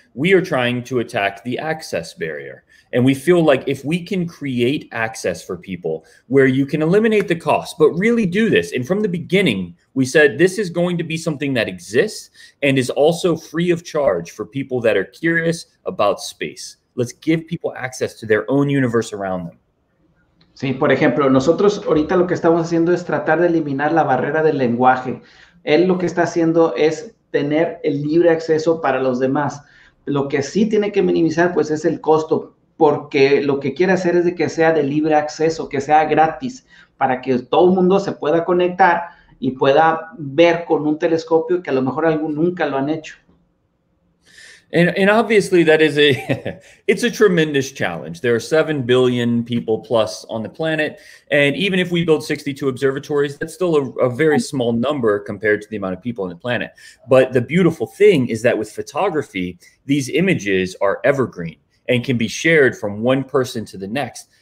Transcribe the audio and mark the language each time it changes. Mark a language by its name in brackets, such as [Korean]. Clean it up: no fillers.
[English] We are trying to attack the access barrier. And we feel like if we can create access for people where you can eliminate the cost, but really do this. And from the beginning, we said this is going to be something that exists and is also free of charge for people that are curious about space. Let's give people access to their own universe around them. [Spanish] Sí, por ejemplo, nosotros ahorita lo que estamos haciendo es tratar de eliminar la barrera del lenguaje. Él lo que está haciendo es tener el libre acceso para los demás. Lo que sí tiene que minimizar, pues, es el costo. Porque lo que quiere hacer es de que sea de libre acceso, que sea gratis, para que todo el mundo se pueda conectar y pueda ver con un telescopio que a lo mejor algún nunca lo han hecho. [English] And obviously that is a, it's a tremendous challenge. There are 7 billion people plus on the planet. And even if we build 62 observatories, that's still a very small number compared to the amount of people on the planet. But the beautiful thing is that with photography, these images are evergreen and can be shared from one person to the next.